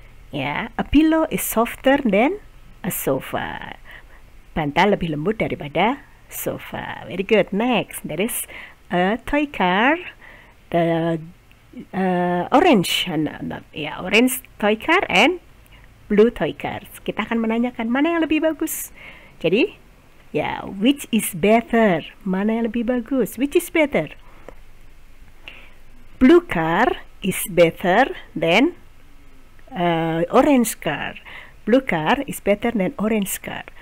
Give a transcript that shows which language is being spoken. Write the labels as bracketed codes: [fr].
[en] Ya, a pillow is softer than a sofa. [id] Bantal lebih lembut daripada sofa. [en] Very good. Next, there is a toy car. The orange, orange toy car and blue toy cars. [id] Kita akan menanyakan mana yang lebih bagus. Jadi, ya, [en] which is better? [id] Mana yang lebih bagus? [en] Which is better? Blue car is better than orange car. Blue car is better than orange car.